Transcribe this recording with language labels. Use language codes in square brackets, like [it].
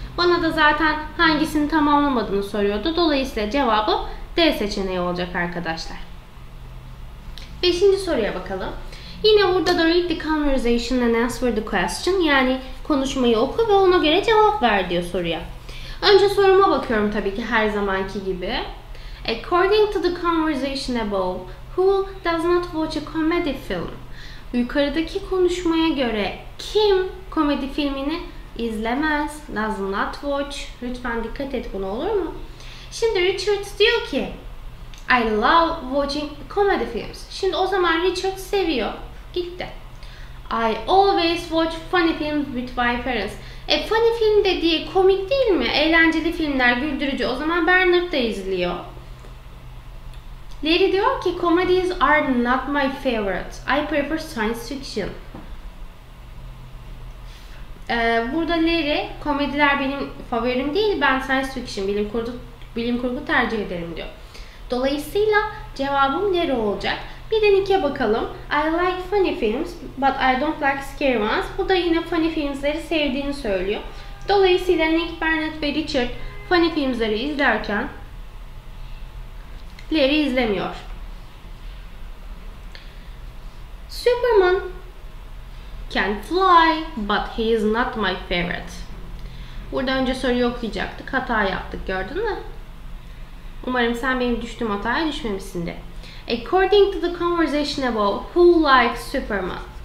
[tr] Bana da zaten hangisini tamamlamadığını soruyordu. Dolayısıyla cevabı D seçeneği olacak arkadaşlar. 5. soruya bakalım. Yine burada da [en] read the conversation and answer the question. [tr] Yani konuşmayı oku ve ona göre cevap ver diyor soruya. Önce soruma bakıyorum tabii ki her zamanki gibi. [en] According to the conversation above, who does not watch a comedy film? [tr] Yukarıdaki konuşmaya göre kim komedi filmini izlemez? [en] Does not watch. [tr] Lütfen dikkat et buna, olur mu? Şimdi Richard diyor ki [en] I love watching comedy films. [tr] Şimdi o zaman Richard seviyor. Gitti. [en] I always watch funny films with my parents. [tr] Funny film dediği komik değil mi? Eğlenceli filmler, güldürücü. O zaman Bernard da izliyor. Larry diyor ki [en] comedies are not my favorite. I prefer science fiction. [tr] Burada Larry, komediler benim favorim değil. Ben science fiction, bilim kurgu tercih ederim diyor. Dolayısıyla cevabım Larry olacak. Bir de Nick'e bakalım. [en] I like funny films but I don't like scary ones. [tr] Bu da yine funny filmleri sevdiğini söylüyor. Dolayısıyla Nick, Bernard ve Richard funny filmleri izlerken Larry izlemiyor. [en] Superman can fly but he is not my favorite. [tr] Burada önce soruyu okuyacaktık. Hata yaptık, gördün mü? Umarım sen benim düştüğüm hataya düşmemişsindir. [en] According to the conversation above, who likes Superman?